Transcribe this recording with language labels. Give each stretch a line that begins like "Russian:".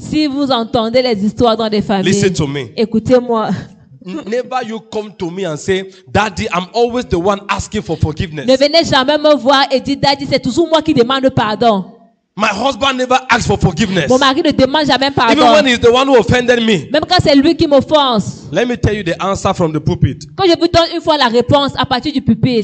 French: Si vous entendez les histoires dans des familles.
English: Listen to me.
French: Écoutez-moi.
English: Never you come to me and say, Daddy, I'm always the one asking for forgiveness.
French: Ne venez jamais me voir et dites, Daddy, c'est toujours moi qui demande pardon.
English: My husband never asks for forgiveness.
French: Mon mari ne demande jamais pardon.
English: Even when he's the one who offended me.
French: Même quand c'est lui qui m'offense.
English: Let me tell you the answer from the pulpit.
French: Quand je vous donne une fois la réponse à partir du pulpit.